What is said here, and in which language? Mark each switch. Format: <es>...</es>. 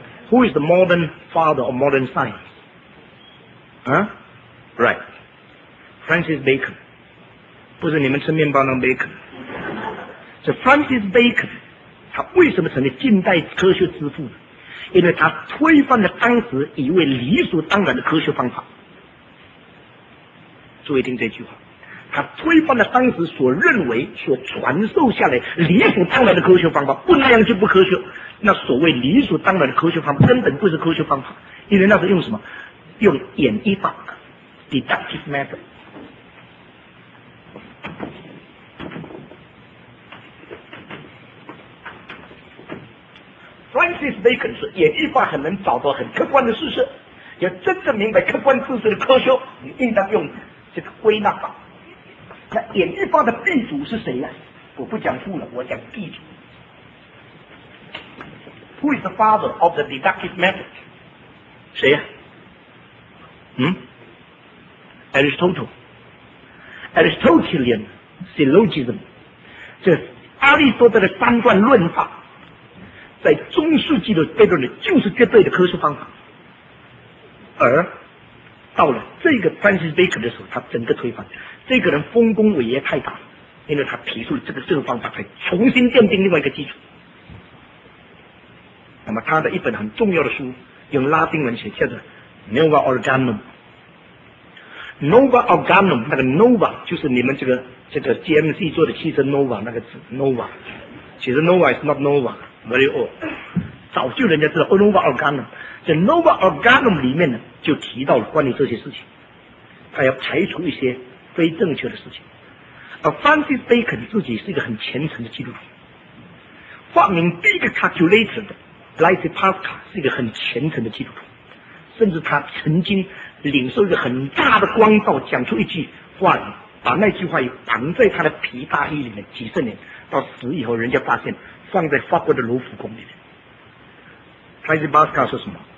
<en>Who is the modern father of modern science? Huh? Right. Francis Bacon.</en> <zh>不是你们吃面包那个 Bacon. So Francis Bacon, 他为什么成为近代科学之父呢？因为他推翻了当时以为理所当然的科学方法。注意听这句话。他推翻了当时所认为所传授下来理所当然的科学方法，不那样就不科学。那所谓理所当然的科学方法根本不是科学方法，因为那是用什么？用演绎法 deductive method。 Francis Bacon 是演绎法很能找到很客观的事实，要真正明白客观事实的科学，你应当用这个归纳法。那演绎法的鼻祖是谁呀？我不讲父了，我讲鼻祖。</zh> <en>Who is the father of the deductive method?</en> <zh>谁呀？</zh> <en>Aristotle. Aristotelian syllogism.</en> <zh>这阿里士多德的三段论法，在中世纪的阶段里就是绝对的科学方法。而到了这个 Francis Bacon 的时候，他整个推翻。这个人丰功伟业太大，因为他提出了这个方法，才重新奠定另外一个基础。那么他的一本很重要的书用拉丁文写，叫做 Nova Organum。 Nova Organum 那个 Nova 就是你们这个 GMC 做的汽车 Nova 那个字 Nova， 其实</zh> <en>Nova is not Nova very old，</en> <zh>早就人家知道 Nova Organum。这 Nova Organum 里面呢就提到了关于这些事情，他要排除一些非正确的事情。而 Francis Bacon 自己是一个很虔诚的基督徒，发明第一个 calculator 的莱斯帕斯卡是一个很虔诚的基督徒，甚至他曾经领受一个很大的光照，讲出一句话语，把那句话语绑在他的皮大衣里面几十年，到死以后人家发现放在法国的卢浮宫里面。莱斯帕斯卡说什么？</zh>